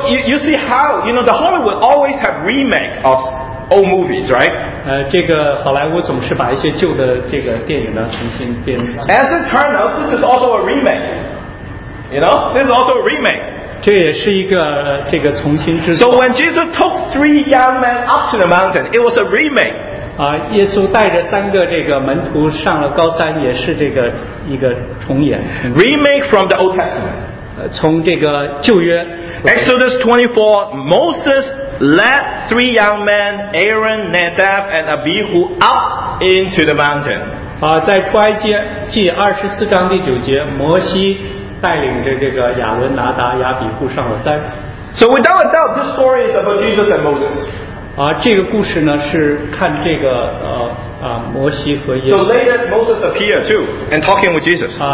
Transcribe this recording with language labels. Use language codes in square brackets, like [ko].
[en] So you see how you know the Hollywood always have remake of old movies, right? [zh] 这个好莱坞总是把一些旧的这个电影呢重新编。 [en] As it turns out, this is also a remake. You know, this is also a remake. [zh] 这也是一个这个重新制作。 [en] So when Jesus took 3 young men up to the mountain, it was a remake. [zh] 耶稣带着三个这个门徒上了高山，也是这个一个重演。 [en] Remake from the Old Testament. [zh] 从这个旧约。 [en] Exodus 24, Moses led 3 young men, Aaron, Nadab, and Abihu up into the mountain. [zh] 在出埃及记24章第9节，摩西带领着这个亚伦、拿达、亚比户上了山。 [en] So without a doubt, this story is about Jesus and Moses. [zh] 这个故事呢是看这个摩西和耶稣。 [en] So later Moses appeared too and talking with Jesus.